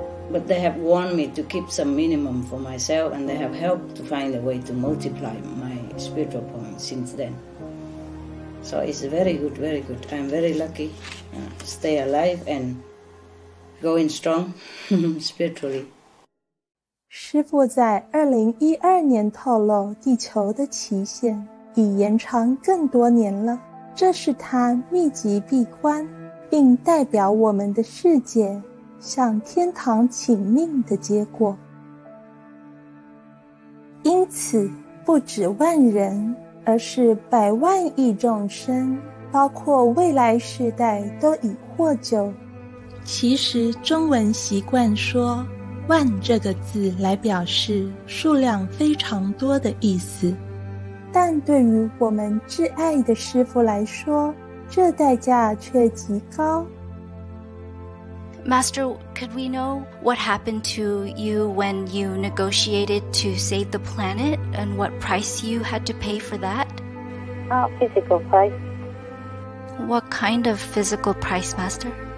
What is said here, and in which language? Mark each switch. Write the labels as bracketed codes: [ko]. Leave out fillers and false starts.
[en] But they have warned me to keep some minimum for myself, and they have helped to find a way to multiply my spiritual points since then. So it's very good, very good. I'm very lucky to stay alive and going strong spiritually. [zh] 师父在2012年透露地球的期限已延长更多年了，这是他密集闭关并代表我们的世界向天堂请命的结果。因此不止万人，而是百万亿众生，包括未来世代都已获救。其实中文习惯说万这个字来表示数量非常多的意思，但对于我们挚爱的师父来说，这代价却极高。 [en] Master, could we know what happened to you when you negotiated to save the planet and what price you had to pay for that? Physical price. What kind of physical price, Master?